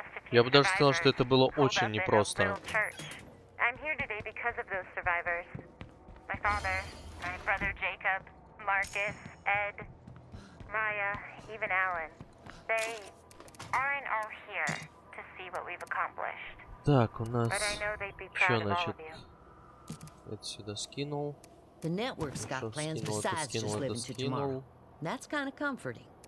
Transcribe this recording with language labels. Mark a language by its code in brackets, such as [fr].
[ru] Я бы даже сказал, что это было очень непросто. [en] I'm here today because of those survivors. My father, my brother Jacob, Marcus, Ed, Maya, even Alan. They aren't all here to see what we've accomplished. [ru] Так, у нас еще, значит, это сюда скинул. [en] The network's got plans besides just living to tomorrow. That's kind of comforting.